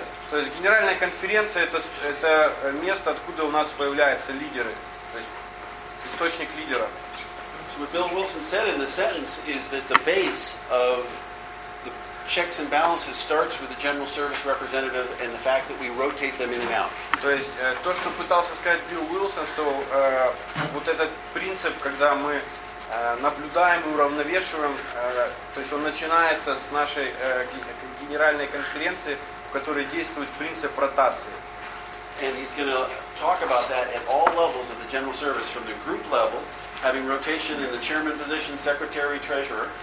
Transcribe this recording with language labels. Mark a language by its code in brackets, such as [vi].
[ru] То есть генеральная конференция это место, откуда у нас появляются лидеры. То есть источник лидеров. [en] So what Bill Wilson said in the sentence is that the base of checks and balances starts with the general service representative and the fact that we rotate them in and out. [ru] То есть то, что пытался сказать Билл Уилсон, что вот этот принцип, когда мы наблюдаем и уравновешиваем, то есть он начинается с нашей генеральной конференции, в которой действует принцип ротации. [en] And he's going to talk about that at all levels of the general service, from the group level, having rotation in the chairman position, secretary, treasurer.